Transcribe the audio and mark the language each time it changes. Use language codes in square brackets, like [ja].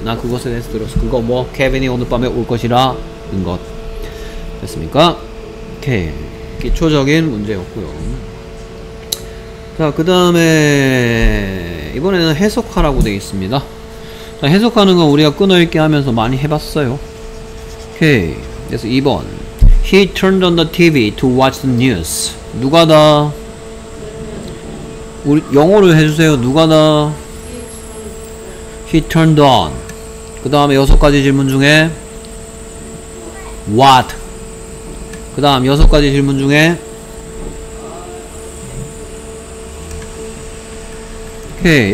[ko] 나 그것에 대해서 들었어. 그거 뭐 케빈이 오늘 밤에 올 것이라 는 것. 됐습니까? 오케이. 기초적인 문제였고요. 자, 그 다음에 이번에는 해석하라고 되어 있습니다. 자, 해석하는 건 우리가 끊어읽기 하면서 많이 해봤어요. 오케이. 그래서 2번 [en] He turned on the TV to watch the news. [ko] 누가 다 우리 영어를 해주세요. 누가 다 [en] He turned on. [ko] 그 다음에 여섯 가지 질문 중에 What? 그 다음 여섯 가지 질문 중에 오케이.